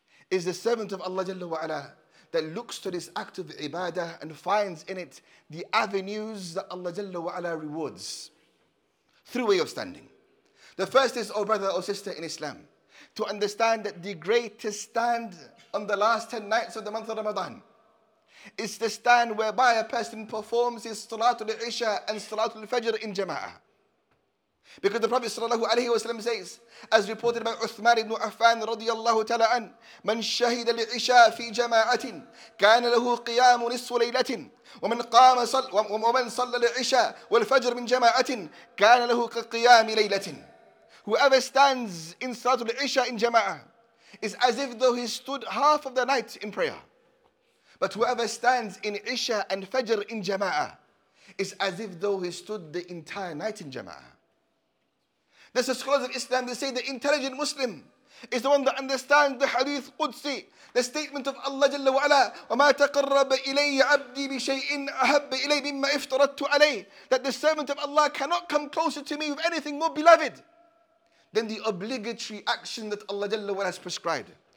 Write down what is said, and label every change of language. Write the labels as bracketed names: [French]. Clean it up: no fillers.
[English] Is the servant of Allah Jalla wa'ala that looks to this act of ibadah and finds in it the avenues that Allah Jalla wa'ala rewards through way of standing. The first is, oh brother, oh sister in Islam, to understand that the greatest stand on the last 10 nights of the month of Ramadan is the stand whereby a person performs his Salatul Isha and Salatul Fajr in Jama'ah. Because the Prophet sallallahu alayhi wa sallam says, as reported by Uthman ibn Affan radiyallahu ta'ala an, [Arabic] من شهد العشاء في جماعة كان له قيام نصف ليلة ومن قام صل ومن صلى العشاء والفجر من جماعة كان له قيام ليلة. [English] Whoever stands in Salatul Isha in Jama'ah is as if though he stood half of the night in prayer. But whoever stands in Isha and Fajr in Jama'ah is as if though he stood the entire night in Jama'ah. This is scholars of Islam, they say the intelligent Muslim is the one that understands the hadith Qudsi, the statement of Allah Jalla wa'ala, [Arabic] وَمَا تَقَرَّبَ إِلَيَّ عَبْدِي بِشَيْءٍ أَحَبَّ إِلَيْهِ مِمَّا إِفْتَرَتُ عَلَيْهِ, [English] that the servant of Allah cannot come closer to me with anything more beloved than the obligatory action that Allah Jalla wa'ala has prescribed.